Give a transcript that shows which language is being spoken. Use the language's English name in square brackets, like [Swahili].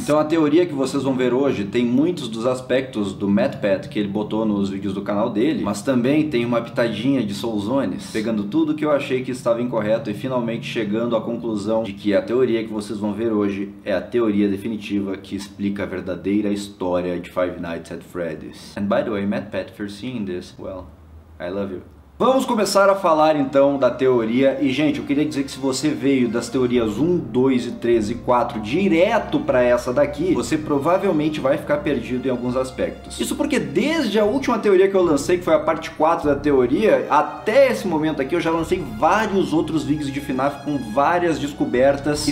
[Portuguese] Então a teoria que vocês vão ver hoje tem muitos dos aspectos do Matt Pat que ele botou nos vídeos do canal dele, mas também tem uma pitadinha de Soulzones, pegando tudo que eu achei que estava incorreto e finalmente chegando à conclusão de que a teoria que vocês vão ver hoje é a teoria definitiva que explica a verdadeira história de Five Nights at Freddy's. [English] And by the way, Matt Pat, for seeing this, well, I love you. [Portuguese] Vamos começar a falar então da teoria. E gente, eu queria dizer que se você veio das teorias 1, 2 e 3 e 4 direto pra essa daqui, você provavelmente vai ficar perdido em alguns aspectos. Isso porque desde a última teoria que eu lancei, que foi a parte 4 da teoria, até esse momento aqui eu já lancei vários outros vídeos de FNAF com várias descobertas.